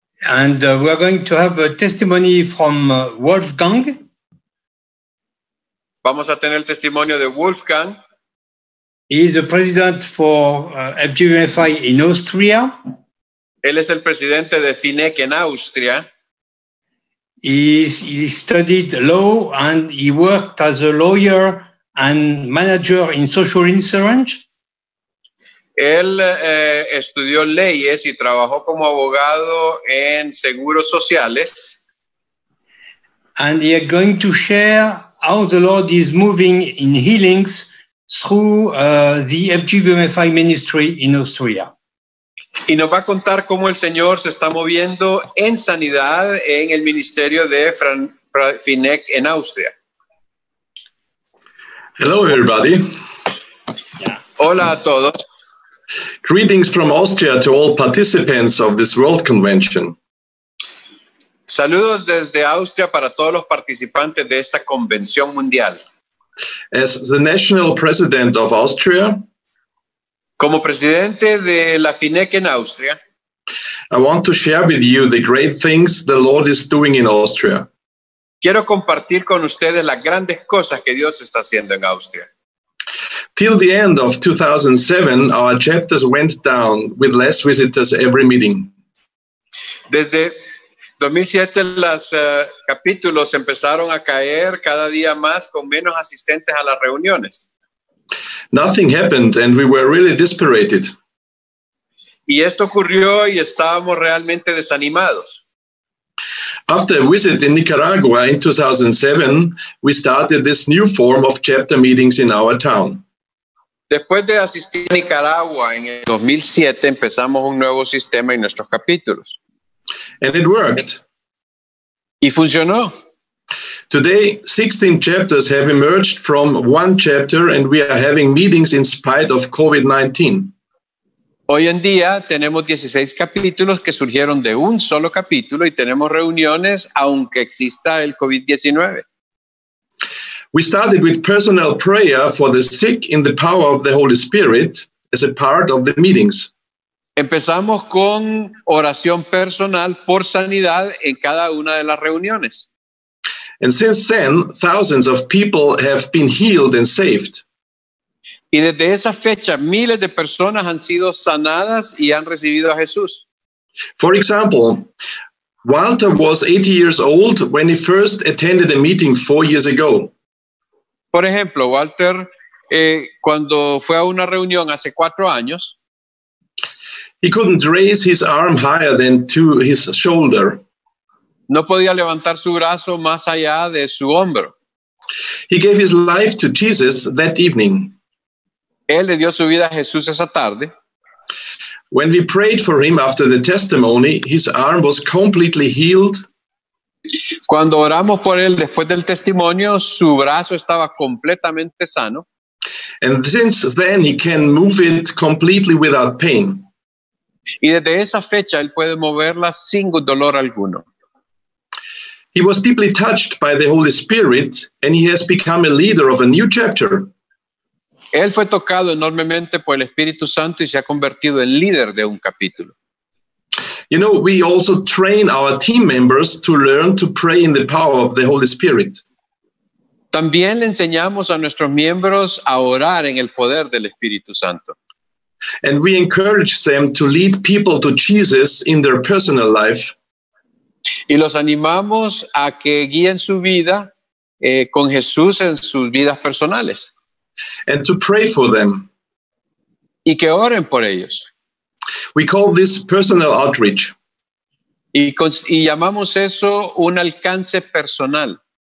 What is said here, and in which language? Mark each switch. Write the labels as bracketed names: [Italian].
[English] And we are going to have a testimony from Wolfgang. [Spanish] Vamos a tener el testimonio de Wolfgang. [English] He is the president for FGMFI in Austria. [Spanish] Él es el presidente de FINEC en Austria. [English] He studied law and he worked as a lawyer and manager in social insurance. [Spanish] Él estudió leyes y trabajó como abogado en seguros sociales. [English] And he is going to share how the Lord is moving in healings through the FGBMFI ministry in Austria. [Spanish] Y nos va a contar cómo el Señor se está moviendo en sanidad en el ministerio de FINEC en Austria. [English] Hello, everybody. [Spanish] Yeah. Hola a todos. [English] Greetings from Austria to all participants of this World Convention. [Spanish] Saludos desde Austria para todos los participantes de esta convención mundial. [English] As the national president of Austria, [Spanish] como presidente de la FINEC en Austria, [English] I want to share with you the great things the Lord is doing in Austria. [Spanish] Quiero compartir con ustedes las grandes cosas que Dios está haciendo en Austria. [English] Till the end of 2007, our chapters went down with less visitors every meeting. [Spanish] Desde 2007, los capítulos empezaron a caer cada día más con menos asistentes a las reuniones. [English] Nothing happened and we were really desperated. [Spanish] Y esto ocurrió y estábamos realmente desanimados. [English] After a visit in Nicaragua in 2007, we started this new form of chapter meetings in our town. [Spanish] Después de asistir a Nicaragua en el 2007, empezamos un nuevo sistema en nuestros capítulos. [English] And it worked. [Spanish] Y funcionó. [English] Today, 16 chapters have emerged from one chapter and we are having meetings in spite of COVID-19. [Spanish] Hoy en día tenemos 16 capítulos que surgieron de un solo capítulo y tenemos reuniones aunque exista el COVID-19. [English] We started with personal prayer for the sick in the power of the Holy Spirit as a part of the meetings. [Spanish] Empezamos con oración personal por sanidad en cada una de las reuniones. [English] And since then, thousands of people have been healed and saved. [Spanish] Y desde esa fecha, miles de personas han sido sanadas y han recibido a Jesús. [English] For example, Walter was 80 years old when he first attended a meeting 4 years ago. [Spanish] Por ejemplo, Walter, cuando fue a una reunión hace 4 años, [English] he couldn't raise his arm higher than to his shoulder. [Spanish] No podía levantar su brazo más allá de su hombro. [English] He gave his life to Jesus that evening. [Spanish] Él le dio su vida a Jesús esa tarde. [English] When we prayed for him after the testimony, his arm was completely healed. [Spanish] Cuando oramos por él después del testimonio, su brazo estaba completamente sano. [English] And since then, he can move it completely without pain. [Spanish] Y desde esa fecha, él puede moverla sin dolor alguno. [English] He was deeply touched by the Holy Spirit, and he has become a leader of a new chapter. [Spanish] Él fue tocado enormemente por el Espíritu Santo y se ha convertido en líder de un capítulo. [English] You know, we also train our team members to learn to pray in the power of the Holy Spirit. [Spanish] También le enseñamos a nuestros miembros a orar en el poder del Espíritu Santo. [English] And we encourage them to lead people to Jesus in their personal life. [Spanish] Y los animamos a que guíen su vida con Jesús en sus vidas personales. [English] And to pray for them. [Spanish] Y que oren por ellos. [English] We call this personal outreach. [Spanish] Y llamamos eso un alcance personal.